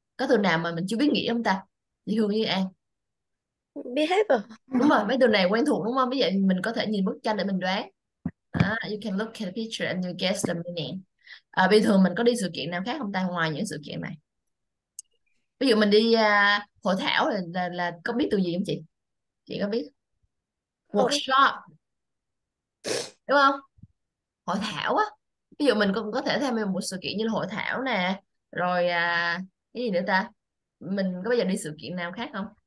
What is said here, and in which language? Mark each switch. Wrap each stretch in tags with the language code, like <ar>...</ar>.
<vi>Có từ nào mà mình chưa biết nghĩ không ta? Chị Hương như An. Biết hết rồi. Đúng rồi, mấy từ này quen thuộc đúng không? Bây giờ mình có thể nhìn bức tranh để mình đoán.</vi> <en>À, you can look at the picture and you guess the meaning.</en> <vi>À, bình thường mình có đi sự kiện nào khác không ta ngoài những sự kiện này? Ví dụ mình đi hội thảo là có biết từ gì không chị? Chị có biết? Workshop. Đúng không? Hội thảo á, ví dụ mình cũng có thể tham gia một sự kiện như là hội thảo nè, rồi cái gì nữa ta, mình có bao giờ đi sự kiện nào khác không?</vi>